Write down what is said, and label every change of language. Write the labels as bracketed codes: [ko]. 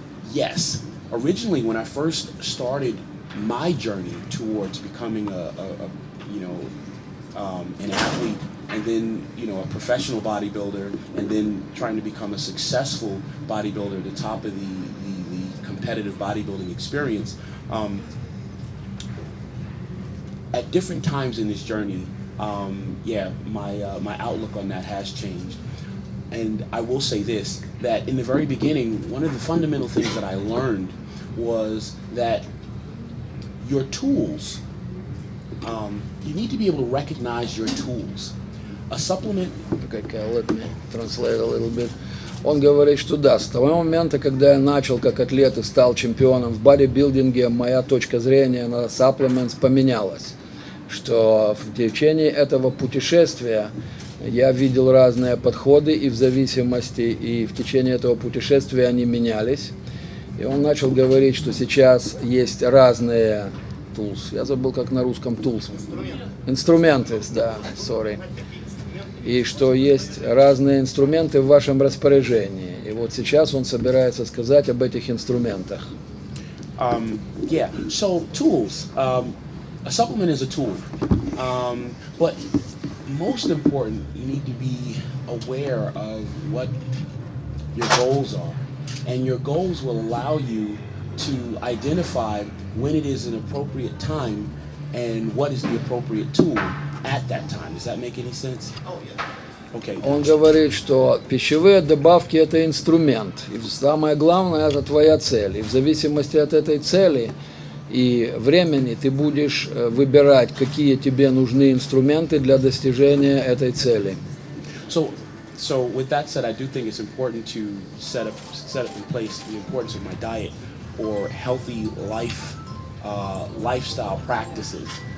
[en] Yes, originally when I first started my journey towards becoming an athlete, and then, you know, a professional bodybuilder, and then trying to become a successful bodybuilder at the top of the competitive bodybuilding experience, at different times in this journey, my outlook on that has changed. And I will say this, that in the very beginning, one of the fundamental things that I learned was that your tools, you need to be able to recognize your tools. A supplement... Okay, let me translate a little bit. [ru] Он говорит, что да, с того момента, когда я начал как атлет и стал чемпионом в бодибилдинге, моя точка зрения на supplements поменялась. Что в течение этого путешествия я видел разные подходы и в зависимости, и в течение этого путешествия они менялись. И он начал говорить, что сейчас есть разные tools. Я забыл, как на русском tools. Инструменты, да, [en] sorry. [ru] И что есть разные инструменты в вашем распоряжении. И вот сейчас он собирается сказать об этих инструментах. [en] So tools. a supplement is a tool, but most important, you need to be aware of what your goals are, and your goals will allow you to identify when it is an appropriate time and what is the appropriate tool at that time. Does that make any sense? Oh, yeah. Okay. [ru] Он говорит, что пищевые добавки – это инструмент, и самое главное – это твоя цель. И в зависимости от этой цели и времени ты будешь выбирать, какие тебе нужны инструменты для достижения этой цели. [en] So with that said, I do think it's important to set up in place the importance of my diet or healthy life, lifestyle practices.